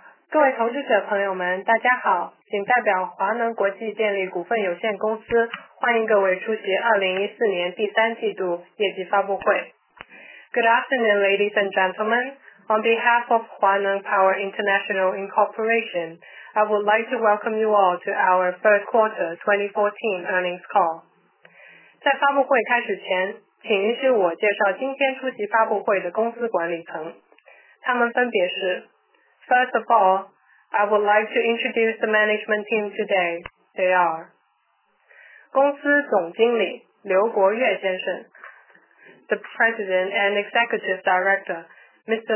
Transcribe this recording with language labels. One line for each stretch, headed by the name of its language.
Chinese: 各位投资者朋友们，大家好，请代表华能国际电力股份有限公司欢迎各位出席2014年第三季度业绩发布会。
English: Good afternoon, ladies and gentlemen. On behalf of Huaneng Power International Incorporation, I would like to welcome you all to our third quarter 2014 earnings call.
Chinese: 在发布会开始前，请允许我介绍今天出席发布会的公司管理层，他们分别是。
English: First of all, I would like to introduce the management team today. They are
Chinese: 公司总经理刘国岳先生
English: The President and Executive Director, Mr.